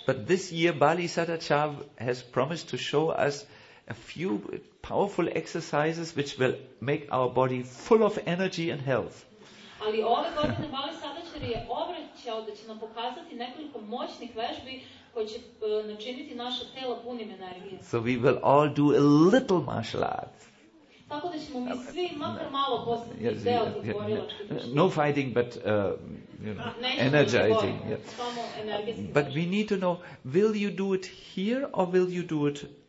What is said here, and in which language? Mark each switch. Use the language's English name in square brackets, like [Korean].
[English] But this year Bali Sadachav has promised to show us a few powerful exercises which will make our body full of energy and health. [Serbian] Ali ove godine Bali Sadachar je obraćao da će nam pokazati nekoliko moćnih vežbi koje će načiniti naše telo punim energije. [English] So we will all do a little martial arts. [Serbian] Tako da ćemo mi svi makar malo postati yes, deo tog borilačkog. [English] No fighting, but you know, energizing. [Serbian] Samo energetski. [English] But we need to know, will you do it here or will you do it?